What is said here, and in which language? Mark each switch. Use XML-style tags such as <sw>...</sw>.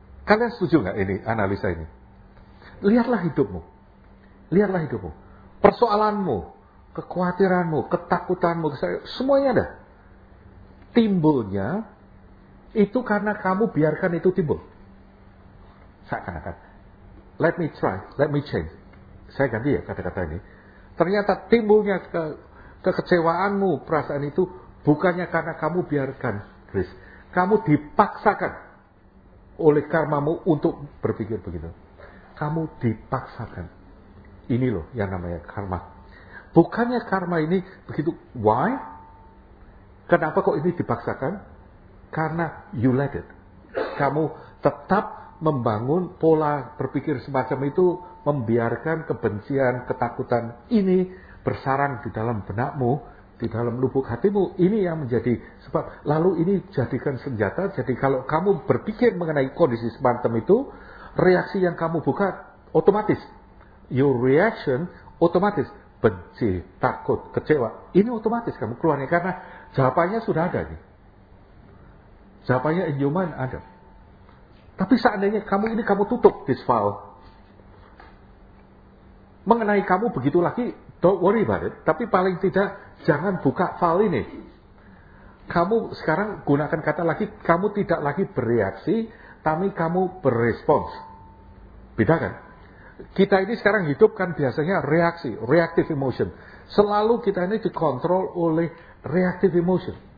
<id>Kalian setuju nggak ini analisa ini? Lihatlah hidupmu, lihatlah hidupmu, persoalanmu, kekhawatiranmu, ketakutanmu, semuanya ada. Timbulnya itu karena kamu biarkan itu timbul.</id> <en>Seakan-akan, let me try, let me change.</en> <id>Saya ganti ya kata-kata ini. Ternyata timbulnya kekecewaanmu, perasaan itu bukannya karena kamu biarkan, Chris. Kamu dipaksakan oleh karmamu untuk berpikir begitu. Kamu dipaksakan. Ini loh yang namanya karma. Bukannya karma ini begitu. Why? Kenapa kok ini dipaksakan? Karena</id> <en>you let it.</en> <id>Kamu tetap membangun pola berpikir semacam itu, membiarkan kebencian, ketakutan ini bersarang di dalam benakmu, di dalam lubuk hatimu, ini yang menjadi sebab. Lalu ini jadikan senjata. Jadi kalau kamu berpikir mengenai kondisi semacam itu, reaksi yang kamu buka otomatis.</id> <en>Your reaction</en> <id>otomatis. Benci, takut, kecewa. Ini otomatis kamu keluarnya. Karena jawabannya sudah ada nih. Jawabannya</id> <en>in your mind</en> <id>ada. Tapi seandainya kamu ini kamu tutup</id> <en>this file.</en> <id>Mengenai kamu begitu lagi,</id> <en>don't worry about it.</en> <id>Tapi paling tidak jangan buka file ini. Kamu sekarang gunakan kata lagi, kamu tidak lagi bereaksi, tapi kamu berespons. Beda kan? Kita ini sekarang hidup kan biasanya reaksi, reactive emotion. Selalu kita ini dikontrol oleh reactive emotion.</id>